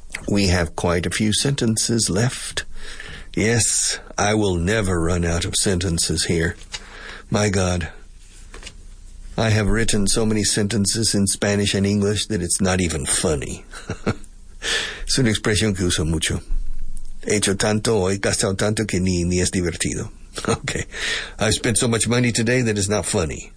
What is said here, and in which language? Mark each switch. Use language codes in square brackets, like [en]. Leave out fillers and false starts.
[en] We have quite a few sentences left. Yes, I will never run out of sentences here. My God. I have written so many sentences in Spanish and English that it's not even funny. [es] Es una expresión que uso mucho. He hecho tanto, he gastado tanto que ni es divertido. Okay. [en] I've spent so much money today that it's not funny.